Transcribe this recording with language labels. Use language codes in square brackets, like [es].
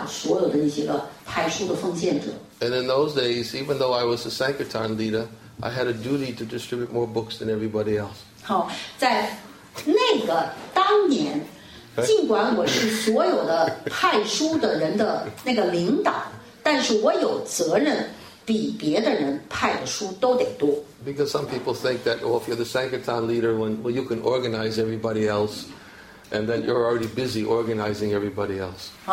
[en] And in those days, even though I was a Sankirtan leader, I had a duty to distribute more books than everybody else. [zh] 好，在那个当年，尽管我是所有的派书的人的那个领导，但是我有责任比别的人派的书都得多。 [en] Because some people think that, oh, if you're the Sankirtan leader, when well, you can organize everybody else, and then you're already busy organizing everybody else.